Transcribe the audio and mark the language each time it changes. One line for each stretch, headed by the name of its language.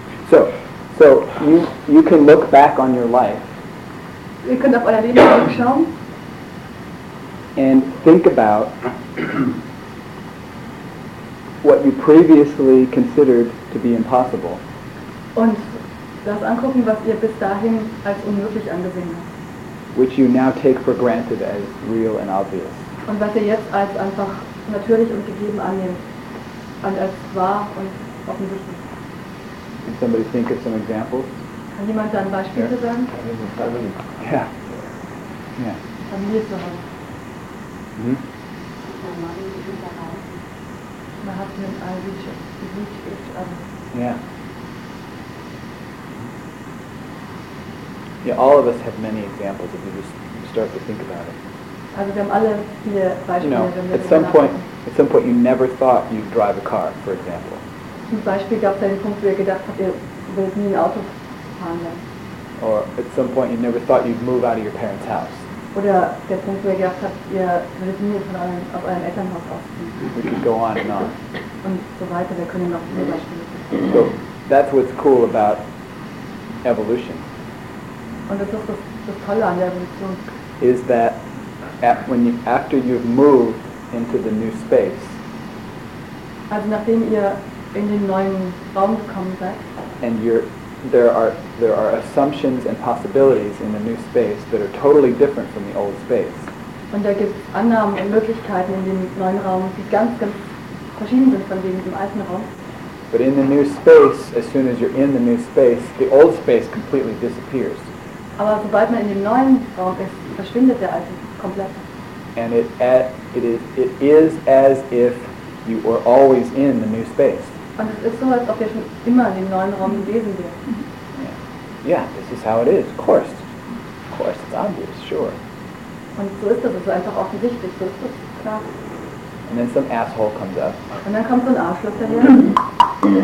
English: So you can look back on your life. You can look at your life
German: schauen.
English: And think about what you previously considered to be impossible.
German: Und das angucken, was ihr bis dahin als unmöglich angesehen habt.
English: which you now take for granted as real and obvious.
German: Und was ihr jetzt als einfach natürlich und gegeben annehmt, und als wahr und offensichtlich.
English: Can somebody think of some examples?
German: Kann jemand da ein Beispiel sagen?
English: Sure. Yeah.
German: Familie zu Hause. Mm-hmm. Man hat mit all die Wichtigkeit.
English: Yeah. Yeah, all of us have many examples if you just start to think about it.
German: Also, wir haben alle viele Beispiele,
English: you know, at some point you never thought you'd drive a car, for example.
German: Zum Beispiel gab es einen Punkt, wo ihr gedacht habt, ihr würdet nie ein Auto fahren.
English: Or at some point you never thought you'd move out of your parents' house.
German: Oder der Punkt, wo ihr gedacht habt, ihr würdet nie von eurem, auf eurem Elternhaus ausziehen.
English: We could go on and on.
German: Und so weiter, wir können noch viele Beispiele finden.
English: So, that's what's cool about evolution.
German: Und das ist das Tolle an der Evolution.
English: Is that after you've moved into the new space,
German: also nachdem ihr in den neuen Raum gekommen seid,
English: and there are assumptions and possibilities in the new space that are totally different from the old space.
German: Und da gibt es Annahmen und Möglichkeiten in dem neuen Raum, die ganz, ganz verschieden sind von denen im alten Raum.
English: But in the new space, as soon as you're in the new space, the old space completely disappears.
German: Aber sobald man in dem neuen Raum ist, verschwindet der alte komplett.
English: And it is as if you were always in the new space.
German: Und es ist so, als ob ihr schon immer in dem neuen Raum gewesen wärt.
English: Yeah, this is how it is. Of course, it's obvious, sure.
German: Und so ist das, es ist einfach offensichtlich, so ist das, klar.
English: And then some asshole comes up.
German: Und dann kommt so ein Arschloch daher.